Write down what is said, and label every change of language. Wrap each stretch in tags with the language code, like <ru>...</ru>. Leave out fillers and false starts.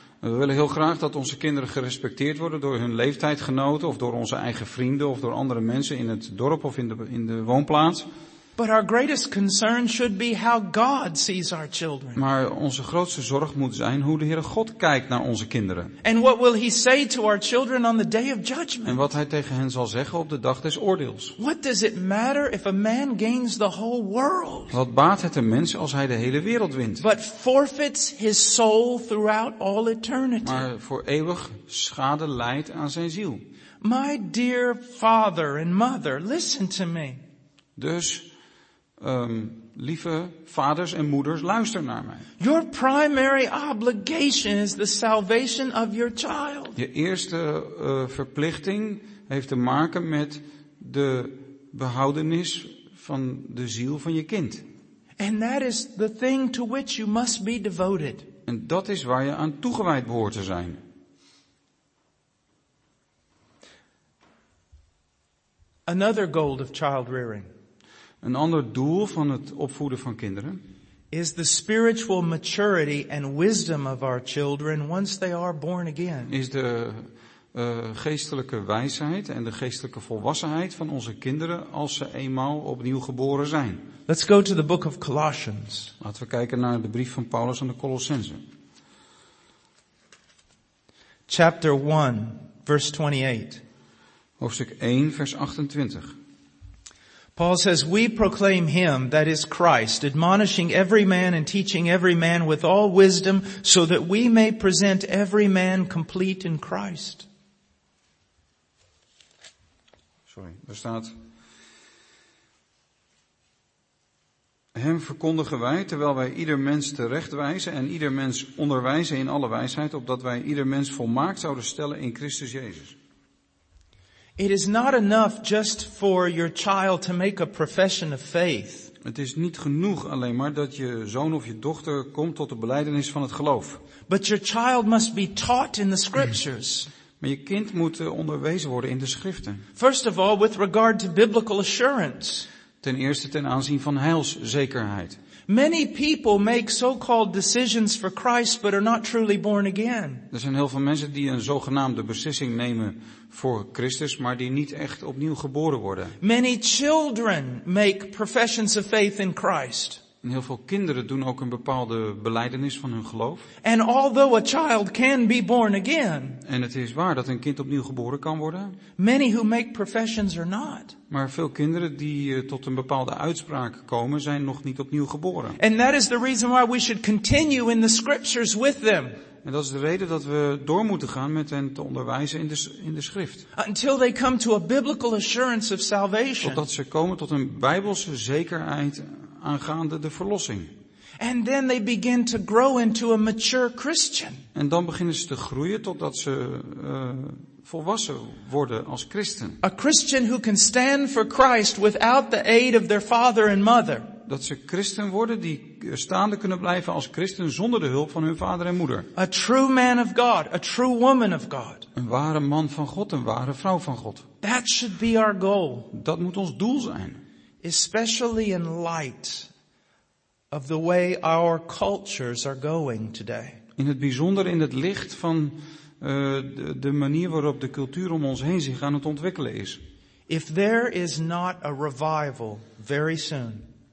<nl>We willen heel graag dat onze kinderen gerespecteerd worden door hun leeftijdgenoten of door onze eigen vrienden of door andere mensen in het dorp of in de woonplaats.</nl> <en>But our greatest concern should be how God sees our children.</en> <nl>Maar onze grootste zorg moet zijn hoe de Heere God kijkt naar onze kinderen.</nl> <en>And what will he say to our children on the day of judgment?</en> <nl>En wat hij tegen hen zal zeggen op de dag des oordeels.</nl> <en>What does it matter if a man gains the whole world?</en> <nl>Wat baat het een mens als hij de hele wereld wint?</nl> <en>But forfeits his soul throughout all eternity.</en> <nl>Maar voor eeuwig schade leidt aan zijn ziel.</nl> <en>My dear father and mother, listen to me.</en> <nl>Dus lieve vaders en moeders, luister naar mij.</nl> <en>Your primary obligation is the salvation of your child.</en> <nl>Je eerste verplichting heeft te maken met de behoudenis van de ziel van je kind.</nl> <en>And that is the thing to which you must be devoted.</en> <nl>En dat is waar je aan toegewijd behoort te zijn.</nl> <en>Another goal of child rearing.</en> <nl>Een ander doel van het opvoeden van kinderen</nl> <en>is the spiritual maturity and wisdom of our children once they are born again.</en> <nl>Is de geestelijke wijsheid en de geestelijke volwassenheid van onze kinderen als ze eenmaal opnieuw geboren zijn.</nl> <en>Let's go to the book of Colossians.</en> <nl>Laten we kijken naar de brief van Paulus aan de Colossenzen.</nl> <en>Chapter 1, verse 28.</en> <nl>Hoofdstuk 1, vers 28.</nl> <en>Paul says, we proclaim him, that is Christ, admonishing every man and teaching every man with all wisdom, so that we may present every man complete in Christ.</en> <nl>Sorry, daar staat. Hem verkondigen wij, terwijl wij ieder mens terecht wijzen en ieder mens onderwijzen in alle wijsheid, opdat wij ieder mens volmaakt zouden stellen in Christus Jezus.</nl> <en>It is not enough just for your child to make a profession of faith.</en> <nl>Het is niet genoeg alleen maar dat je zoon of je dochter komt tot de belijdenis van het geloof.</nl> <en>But your child must be taught in the scriptures.</en> <nl>Maar je kind moet onderwezen worden in de schriften.</nl> <en>First of all, with regard to biblical assurance.</en> <nl>Ten eerste ten aanzien van heilszekerheid.</nl> <en>Many people make so-called decisions for Christ but are not truly born again.</en> <nl>Er zijn heel veel mensen die een zogenaamde beslissing nemen voor Christus, maar die niet echt opnieuw geboren worden.</nl> <en>Many children make professions of faith in Christ.</en> <nl>En heel veel kinderen doen ook een bepaalde belijdenis van hun geloof.</nl> <en>And although a child can be born again.</en> <nl>En het is waar dat een kind opnieuw geboren kan worden.</nl> <en>Many who make professions are not.</en> <nl>Maar veel kinderen die tot een bepaalde uitspraak komen, zijn nog niet opnieuw geboren.</nl> <en>And that is the reason why we should continue in the scriptures with them.</en> <nl>En dat is de reden dat we door moeten gaan met hen te onderwijzen in de schrift.</nl> <en>Until they come to a biblical assurance of salvation.</en> <nl>Totdat ze komen tot een bijbelse zekerheid aangaande de verlossing.</nl> <en>And then they begin to grow into a mature Christian.</en> <nl>En dan beginnen ze te groeien totdat ze volwassen worden als christen.</nl> <en>A Christian who can stand for Christ without the aid of their father and mother.</en> <nl>Dat ze christen worden die staande kunnen blijven als christen zonder de hulp van hun vader en moeder.</nl> <en>A true man of God, a true woman of God.</en> <nl>Een ware man van God, een ware vrouw van God.</nl> <en>That should be our goal.</en> <nl>Dat moet ons doel zijn.</nl> <en>Especially in light of the way our cultures are going today.</en> <nl>In het bijzonder in het licht van de manier waarop de cultuur om ons heen zich aan het ontwikkelen is.</nl> <en>If there is not a revival very soon.</en>